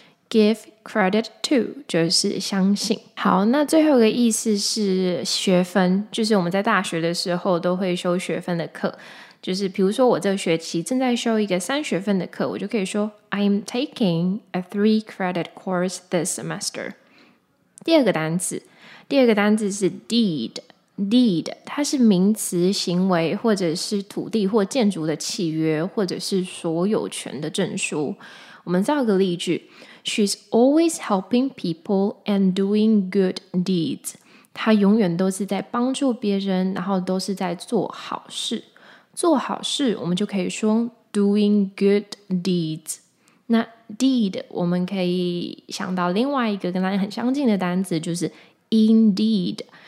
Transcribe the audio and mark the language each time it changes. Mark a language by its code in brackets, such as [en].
[en] Give credit to [zh] 就是相信。好，那最后一个意思是学分，就是我们在大学的时候都会修学分的课，就是比如说我这个学期正在修一个三学分的课，我就可以说 [en] I'm taking a 3-credit course this semester。 [zh] 第二个单字是 deed， 它是名词，行为或者是土地或建筑的契约或者是所有权的证书。 [en] 我们造个例句，She's always helping people and doing good deeds. [zh] 她永远都是在帮助别人，然后都是在做好事。做好事，我们就可以说 [en] doing good deeds. [zh] 那 deed， 我们可以想到另外一个跟它很相近的单词，就是 indeed。